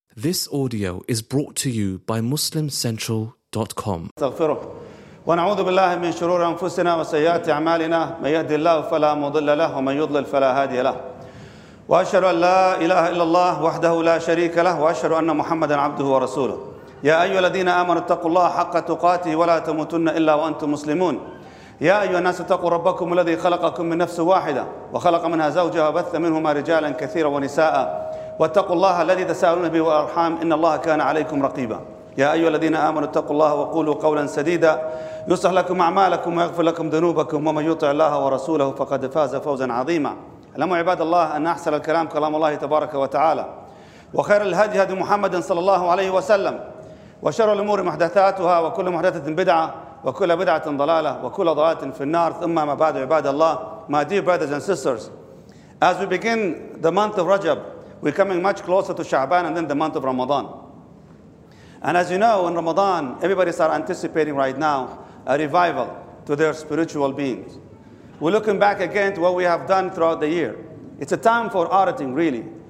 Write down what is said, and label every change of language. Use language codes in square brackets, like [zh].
[en] This audio is brought to you by MuslimCentral.com. [ar] استغفره ونعوذ بالله من شرور أنفسنا وسيئات أعمالنا من يهد الله فلا مضل له ومن يضلل فلا هادي له وأشهد أن لا إله إلا الله وحده لا شريك له وأشهد أن محمدا عبده ورسوله يا أيها الذين آمنوا اتقوا الله حق تقاته ولا تموتن إلا وأنتم مسلمون يا أيها الناس اتقوا ربكم الذي خلقكم من نفس واحدة وخلق منها زوجها وبث منهما رجالا كثيرا ونساء واتقوا الله الذي تساءلون به والأرحام إن الله كان عليكم رقيبا يا أيها الذين آمنوا اتقوا الله وقولوا قولا سديدا يصلح لكم أعمالكم ويغفر لكم ذنوبكم ومن يطع الله ورسوله فقد فاز فوزا عظيما اعلموا عباد الله أن أحسن الكلام كلام الله تبارك وتعالى وخير الهدي هدي محمد صلى الله عليه وسلم وشر الأمور محدثاتها وكل محدثة بدعة وكل بدعة ضلالة وكل ضلالة في النار ثم ما بعد عباد الله [en] My dear brothers and sisters As we begin the month of Rajab We're coming much closer to Sha'ban and then the month of Ramadan. And as you know, in Ramadan, everybody starts anticipating right now a revival to their spiritual beings. We're looking back again to what we have done throughout the year. It's a time for auditing, really.